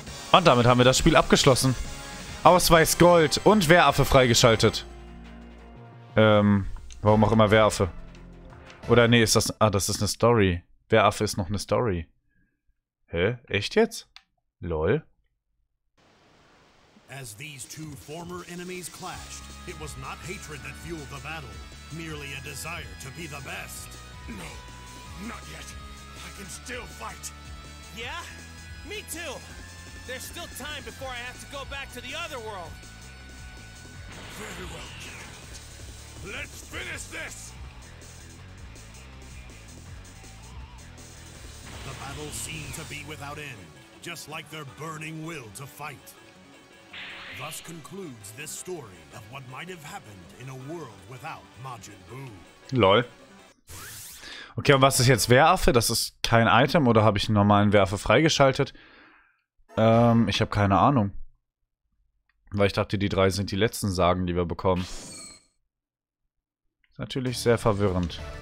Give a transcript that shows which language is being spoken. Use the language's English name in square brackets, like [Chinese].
[German] Und damit haben wir das Spiel abgeschlossen. Ausweis Gold und Wehraffe freigeschaltet. Warum auch immer Wehraffe? Oder nee, ist das... Ah, das ist eine Story. Wehraffe ist noch eine Story. Hä? Echt jetzt? Lol. [English] As these two former enemies clashed, it was not hatred that fueled the battle. Merely a desire to be the best. No, not yet. I can still fight. Yeah? Me too. There's still time before I have to go back to the other world. Very well, Kakarot. Let's finish this! The battle seemed to be without end, just like their burning will to fight. Thus concludes this story of what might have happened in a world without Majin Buu. Lol. [German] Okay, und was ist jetzt Wehraffe? Das ist kein Item oder habe ich einen normalen Wehraffe freigeschaltet? Ich habe keine Ahnung. Weil ich dachte, die drei sind die letzten Sagen, die wir bekommen. Ist natürlich sehr verwirrend.